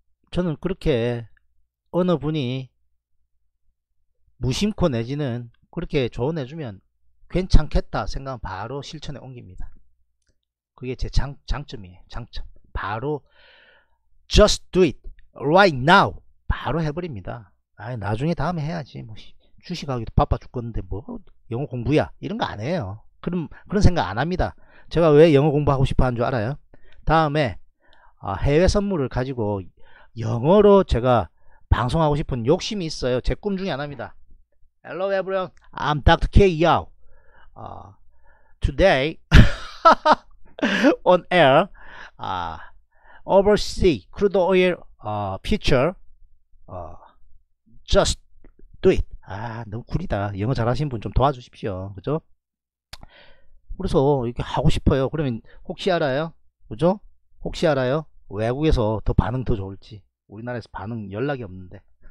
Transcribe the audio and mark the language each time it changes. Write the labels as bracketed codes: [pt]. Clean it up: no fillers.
[ko] 저는 그렇게 어느 분이 무심코 내지는 그렇게 조언 해주면 괜찮겠다 생각하면 바로 실천에 옮깁니다. 그게 제 장점이에요. 장점. 바로 [en] just do it right now. [ko] 바로 해버립니다. 아, 나중에 다음에 해야지. 뭐 주식하기도 바빠 죽겠는데 뭐 영어 공부야 이런 거안 해요. 그런 생각 안 합니다. 제가 왜 영어 공부하고 싶어 하는 줄 알아요? 다음에 해외 선물을 가지고 영어로 제가 방송하고 싶은 욕심이 있어요. 제꿈 중에 하나입니다. [en] Hello everyone, I'm Dr. K. Yao. Today on air, overseas crude oil future, just do it. [ko] 너무 구리다. 영어 잘하신 분좀 도와주십시오. 그죠? 그래서 이렇게 하고 싶어요. 그러면 혹시 알아요? 그죠? 혹시 알아요? 외국에서 더 반응 더 좋을지. 우리나라에서 반응 연락이 없는데.